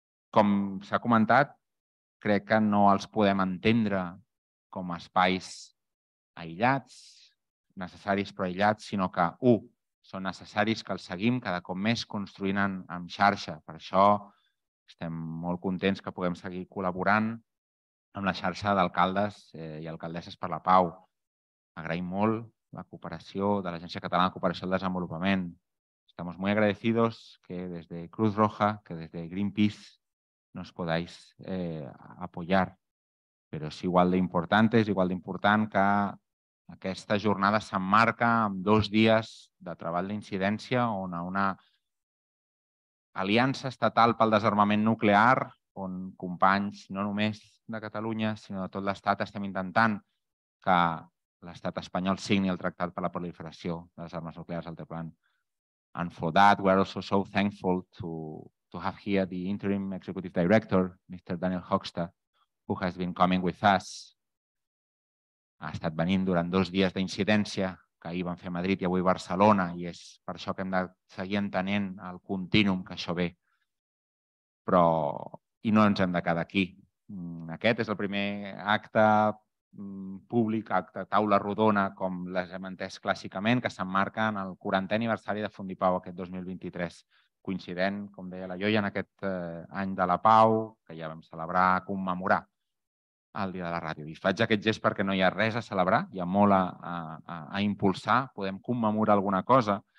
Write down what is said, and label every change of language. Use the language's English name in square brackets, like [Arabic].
[Catalan] Com s'ha comentat, crec que no els podem entendre com espais aïllats, necessaris però aïllats, sinó que, un, són necessaris que els seguim cada cop més construint en xarxa. Per això estem molt contents que puguem seguir col·laborant amb la xarxa d'alcaldes i alcaldesses per la pau. Agraïm molt la cooperació de l'Agència Catalana de Cooperació al Desenvolupament. [Spanish] Estamos muy agradecidos que desde Cruz Roja, que desde Greenpeace, nos podáis apoyar. [Catalan] Però és igual d'important, és igual d'important que aquesta jornada s'emmarca en dos dies de treball d'incidència on una aliança estatal pel desarmament nuclear, on companys no només de Catalunya, sinó de tot l'Estat, estem intentant que l'Estat espanyol signi el Tractat per la Proliferació de les Armes Nuclears al Teplan. [English] And for that, we are also so thankful to have here the interim executive director, Mr. Daniel Hoekstra, who has been coming with us. [Catalan] Ha estat venint durant dos dies d'incidència, que ahir vam fer a Madrid i avui a Barcelona, i és per això que hem de seguir entenent el contínuum que això ve. Però, i no ens hem de quedar aquí. Aquest és el primer acte públic, acte taula rodona, com les hem entès clàssicament, que s'emmarca en el 40è aniversari de Fundipau aquest 2023, coincident, com deia la Joia, en aquest any de la pau, que ja vam celebrar, commemorar el dia de la ràdio. I faig aquest gest perquè no hi ha res a celebrar, hi ha molt a impulsar, podem commemorar alguna cosa.